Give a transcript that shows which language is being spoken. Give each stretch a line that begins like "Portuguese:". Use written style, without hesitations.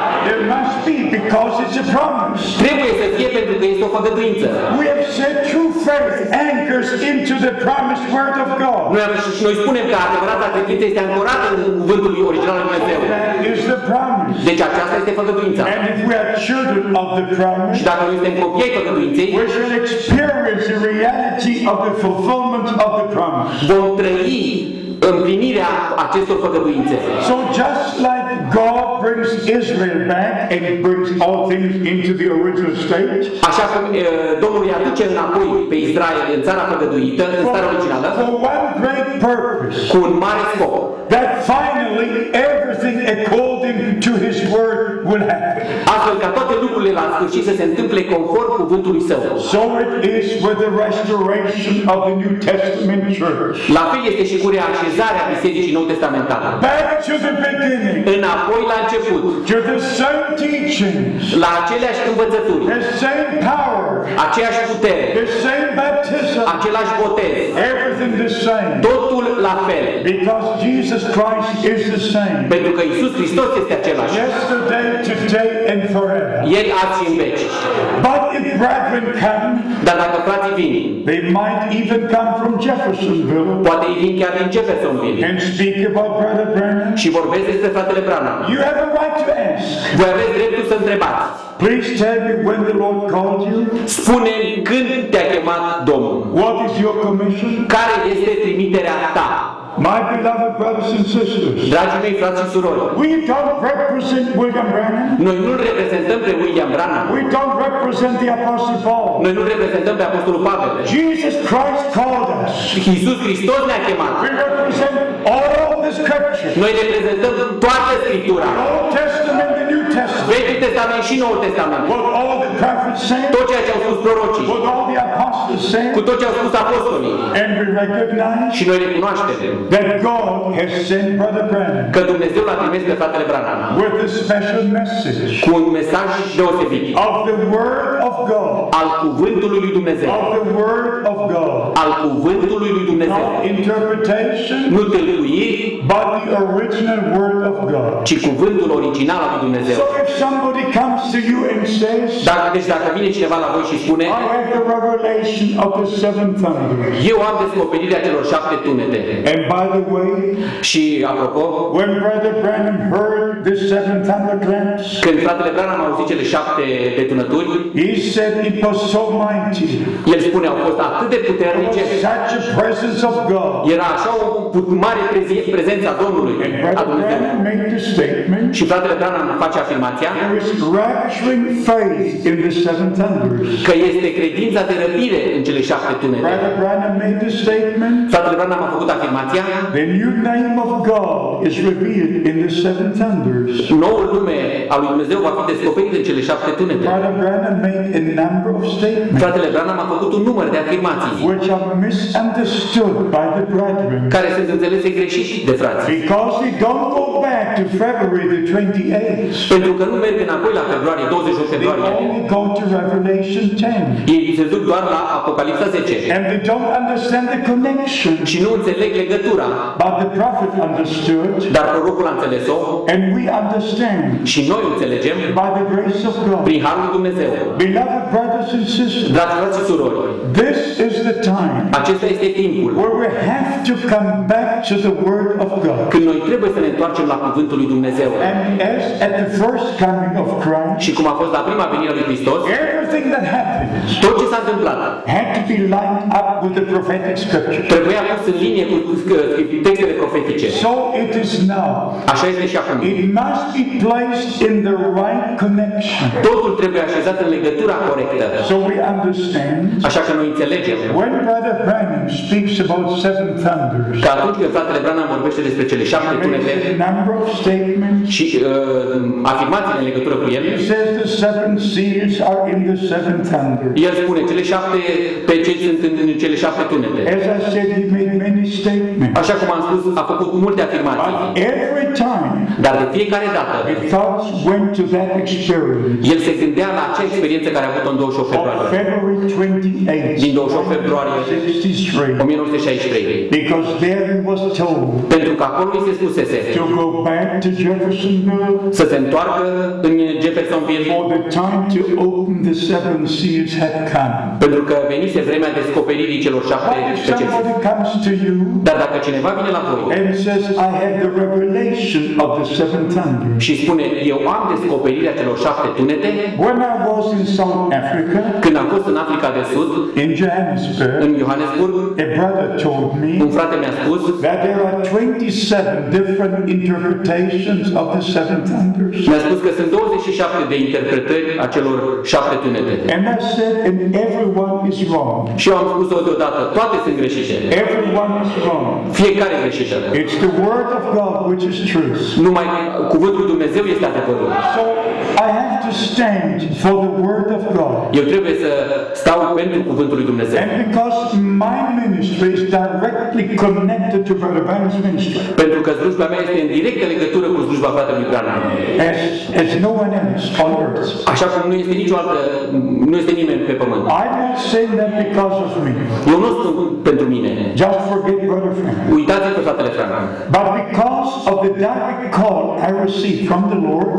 English: There must be because it's a promise.
Romanian: Trebuie să fie pentru că este o făgăduință.
English: We have said true faith anchors into the promised word of God.
Romanian: Noi spunem că adevărata credință este ancorată în cuvântul original al lui Dumnezeu. Deci aceasta este făgăduința.
English: And if we are children of the promise,
Romanian: și dacă noi suntem copii ai făgăduinței,
English: we shall experience the reality of the fulfillment of the promise.
Romanian: Vom trăi împlinirea acestor făgăduințe.
English: So just like God brings Israel back and brings all things into the original state.
Romanian: Așa cum Domnul i-a aduce înapoi pe Israel în țara făgăduită, în starea originală.
English: For one great purpose.
Romanian: Cu un mare scop.
English: That finally everything according to his word will happen.
Romanian: Astfel ca toate lucrurile la sfârșit să se întâmple conform cuvântului său.
English: So it is with the restoration of the New Testament church.
Romanian: La fel este și cu reașezarea bisericii nou testamentale.
English: Back to the beginning.
Romanian: Înapoi la început.
English: To the same teaching.
Romanian: La aceleași învățături.
English: The same power.
Romanian: Aceeași putere.
English: The same baptism.
Romanian: Același botez.
English: Everything the same.
Romanian: Totul la fel.
English: Because Jesus Christ is the same.
Romanian: Pentru că Iisus Hristos este același.
English: Yesterday, today and forever.
Romanian: Ieri, azi și în veci.
English: But if brethren come,
Romanian: dar dacă frații vin,
English: they might even come from Jeffersonville.
Romanian: Poate ei vin chiar din Jeffersonville.
English: And speak about brother Branham.
Romanian: Și vorbesc despre fratele Branham.
English: You have a right to ask.
Romanian: Voi aveți dreptul să întrebați.
English: Please tell me when the Lord called you.
Romanian: Spune-mi când te-a chemat Domnul.
English: What is your commission?
Romanian: Care este trimiterea ta?
English: My beloved brothers and sisters.
Romanian: Dragii mei frați și surori.
English: We don't represent William Branham.
Romanian: Noi nu reprezentăm pe William Branham.
English: We don't represent the Apostle Paul.
Romanian: Noi nu reprezentăm pe Apostolul Pavel.
English: Jesus Christ called us.
Romanian: Iisus Hristos ne-a chemat.
English: We represent all the scriptures.
Romanian: Noi reprezentăm toată Scriptura.
English: The Old Testament, the New Testament.
Romanian: Vechiul Testament și Noul Testament.
English: What all the prophets said.
Romanian: Tot ceea ce au spus prorocii.
English: What all the apostles said.
Romanian: Cu tot ce au spus apostolii.
English: And we recognize.
Romanian: Și noi recunoaștem.
English: That God has sent Brother Branham.
Romanian: Că Dumnezeu l-a trimis pe fratele Branham.
English: With a special message.
Romanian: Cu un mesaj deosebit.
English: Of the word of God.
Romanian: Al cuvântului lui Dumnezeu.
English: Of the word of God.
Romanian: Al cuvântului lui Dumnezeu.
English: Not interpretation.
Romanian: Nu tâlcuiri.
English: But the original word of God.
Romanian: Ci cuvântul original al lui Dumnezeu.
English: So if somebody comes to you and says.
Romanian: Dacă vine cineva la voi și spune.
English: I have the revelation of the seven thunders.
Romanian: Eu am descoperirea celor șapte tunete.
English: And by the way,
Romanian: și apropo,
English: when Brother Branham heard the seven thunderclaps,
Romanian: când fratele Branham a auzit cele șapte detunături,
English: he said it was so mighty.
Romanian: El spune au fost atât de puternice.
English: Such a presence of God.
Romanian: Era așa o mare prezența Domnului.
English: And Brother Branham made the statement.
Romanian: Și fratele Branham face afirmația.
English: There is rapturing faith in the seven thunders.
Romanian: Că este credința de răpire în cele șapte tunete.
English: Brother Branham made the statement.
Romanian: Fratele Branham a făcut afirmația.
English: The new name of God is revealed in the seven thunders.
Romanian: Noul nume al lui Dumnezeu va fi descoperit în cele șapte tunete.
English: Brother Branham made a number of statements.
Romanian: Fratele Branham a făcut un număr de afirmații.
English: Which are misunderstood by the brethren.
Romanian: Care sunt înțelese greșit de frați.
English: Because they don't go back to February the 28th.
Romanian: Pentru că nu merg înapoi la februarie 28.
English: They only go to Revelation 10.
Romanian: Ei se duc doar la Apocalipsa 10.
English: And they don't understand the connection.
Romanian: Și nu înțeleg legătura.
English: But the prophet understood.
Romanian: Dar prorocul a înțeles-o.
English: And we understand.
Romanian: Și noi înțelegem.
English: By the grace of God.
Romanian: Prin harul lui Dumnezeu.
English: Beloved brothers and sisters.
Romanian: Dragi frați și surori.
English: This is the time.
Romanian: Acesta este timpul.
English: Where we have to come back to the word of God.
Romanian: Când noi trebuie să ne întoarcem la cuvântul lui Dumnezeu.
English: And as at the first coming of Christ.
Romanian: Și cum a fost la prima venire a lui Hristos.
English: Everything that happened.
Romanian: Tot ce s-a întâmplat.
English: Had to be lined up with the prophetic scripture.
Romanian: Trebuie pus în linie cu textele profetice.
English: So it is now.
Romanian: Așa este și acum.
English: It must be placed in the right connection.
Romanian: Totul trebuie așezat în legătura corectă.
English: So we understand.
Romanian: Așa că noi înțelegem.
English: When Brother Branham speaks about seven thunders.
Romanian: Că atunci când fratele Branham vorbește despre cele șapte tunete.
English: A number of statements.
Romanian: Și afirmații în legătură cu ele.
English: He says the seven seals are in the seven thunders.
Romanian: El spune cele șapte peceți sunt în cele șapte tunete.
English: As I said, he made many statements.
Romanian: Așa cum am spus, a făcut multe afirmații.
English: But every time.
Romanian: Dar de fiecare dată.
English: His thoughts went to that experience.
Romanian: El se gândea la acea experiență care a avut-o în 28 februarie. Din 28 februarie 1963.
English: Because there he was told.
Romanian: Pentru că acolo îi se spusese.
English: To go back to Jeffersonville.
Romanian: Să se întoarcă în Jeffersonville.
English: For the time to open the seven seals had come.
Romanian: Pentru că venise vremea descoperirii celor șapte peceți. Dar dacă cineva vine la voi.
English: And says I have the revelation of the seven thunders.
Romanian: Și spune eu am descoperirea celor șapte tunete.
English: When I was in South Africa.
Romanian: Când am fost în Africa de Sud.
English: In Johannesburg.
Romanian: În Johannesburg.
English: A brother told me.
Romanian: Un frate mi-a spus.
English: That there are 27 different interpretations of the seven thunders.
Romanian: Mi-a spus că sunt 27 de interpretări a celor șapte tunete.
English: And I said and everyone is wrong.
Romanian: Și am spus odată, toate sunt greșite.
English: Everyone is wrong.
Romanian: Fiecare greșește.
English: It's the word of God which is truth.
Romanian: Numai cuvântul lui Dumnezeu este adevărul.
English: So I have to stand for the word of God.
Romanian: Eu trebuie să stau pentru cuvântul lui Dumnezeu.
English: And because my ministry is directly connected to Brother Branham's ministry.
Romanian: Pentru că slujba mea este în directă legătură cu slujba fratelui Branham.
English: As no one else on earth.
Romanian: Așa cum nu este nicio altă, nu este nimeni pe pământ.
English: I don't say that because of me.
Romanian: Eu nu spun pentru mine.
English: Just forget Brother Branham.
Romanian: Uitați-vă la fratele Branham.
English: But because of the direct call I received from the Lord.